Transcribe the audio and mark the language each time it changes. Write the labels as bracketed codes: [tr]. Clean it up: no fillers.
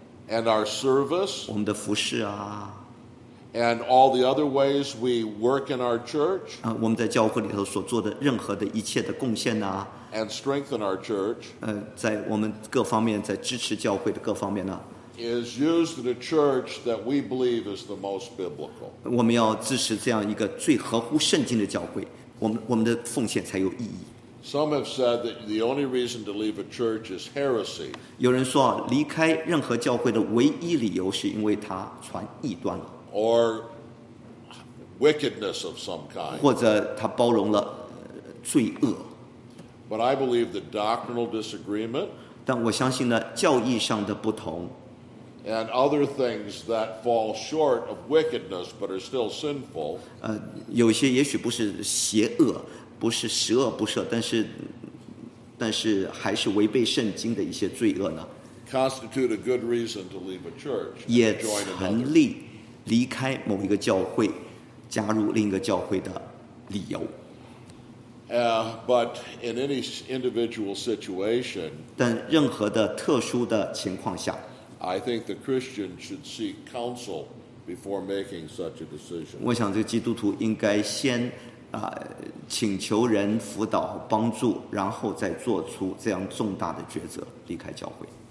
[en] And our service. [zh] 我们的服事啊。 [en] And all the other ways we work in our church. [zh] 我们在教会里头所做的任何的一切的贡献呢 [en] ？And strengthen our church. [zh] 在我们各方面在支持教会的各方面呢 [en] ？Is used in a church that we believe is the most biblical. [zh] 我们要支持这样一个最合乎圣经的教会，我们的奉献才有意义。 [en] Some have said that the only reason to leave a church is heresy. [zh] 有人说离开任何教会的唯一理由是因为它传异端了。 [en] Or wickedness of some kind. [zh] 或者他包容了罪恶。 [en] But I believe the doctrinal disagreement. [zh] 但我相信呢，教义上的不同。 [en] And other things that fall short of wickedness but are still sinful. [zh] 有些也许不是邪恶，不是十恶不赦，但是还是违背圣经的一些罪恶呢。 [en] Constitute a good reason to leave a church. [zh] 也成立。离开某一个教会，加入另一个教会的理由。 [en] But in any individual situation, [zh] 但任何的特殊的情况下 [en] ，I think the Christian should seek counsel before making such a decision. [zh] 我想这个基督徒应该先请求人辅导帮助，然后再做出这样重大的抉择，离开教会。